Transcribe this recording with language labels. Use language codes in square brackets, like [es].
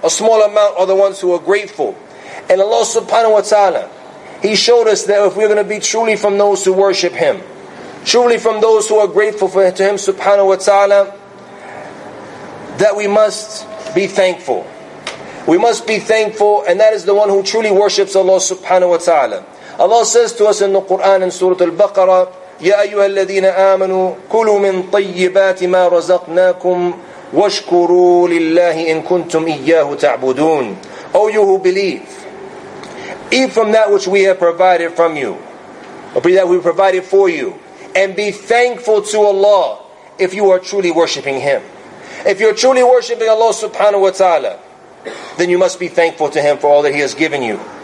[en] A small amount are the ones who are grateful. And Allah subhanahu wa ta'ala, He showed us that if we're going to be truly from those who worship Him, truly from those who are grateful to Him subhanahu wa ta'ala, that we must be thankful. We must be thankful, and that is the one who truly worships Allah subhanahu wa ta'ala. Allah says to us in the Qur'an in Surah Al-Baqarah, [ar] يَا أَيُّهَا الَّذِينَ آمَنُوا كُلُوا مِن طَيِّبَاتِ مَا رَزَقْنَاكُمْ وَاشْكُرُوا لِلَّهِ إِن كُنْتُمْ إِيَّاهُ تَعْبُدُونَ. [en] O you who believe, eat from that which we have provided from you, or that we provided for you, and be thankful to Allah if you are truly worshipping Him. If you're truly worshipping Allah subhanahu wa ta'ala, then you must be thankful to Him for all that He has given you.